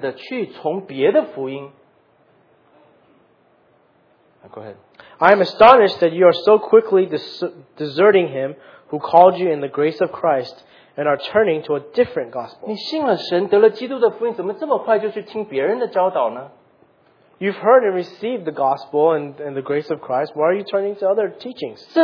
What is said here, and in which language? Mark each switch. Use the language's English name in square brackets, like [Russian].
[Chinese] 我稀奇你们这么快离开，那借着基督之恩召你们的，去从别的福音。 [English] Go ahead. I am astonished that you are so quickly deserting him who called you in the grace of Christ and are turning to a different gospel. [Chinese] 你信了神，得了基督的福音，怎么这么快就去听别人的教导呢？ [English] You've heard and received the gospel and the grace of Christ. Why are you turning to other teachings?